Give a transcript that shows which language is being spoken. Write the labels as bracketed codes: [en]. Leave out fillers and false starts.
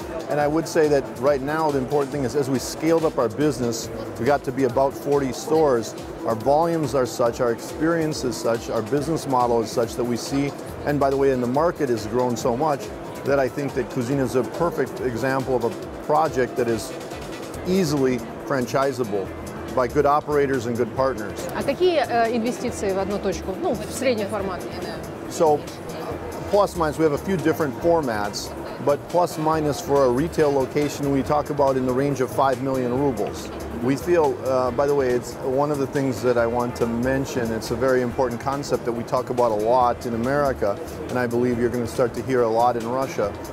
[en] And I would say that right now the important thing is as we scaled up our business, we got to be about 40 stores, our volumes are such, our experience is such, our business model is such that we see, and by the way, in the market has grown so much that I think that Кузина is a perfect example of a project that is easily franchisable by good operators and good partners. [ru] А какие инвестиции в одну точку? Ну, в средний формат. [en] So, plus minus, we have a few different formats, but plus minus for a retail location, we talk about in the range of 5 million rubles. We feel, by the way, it's one of the things that I want to mention, it's a very important concept that we talk about a lot in America, and I believe you're going to start to hear a lot in Russia.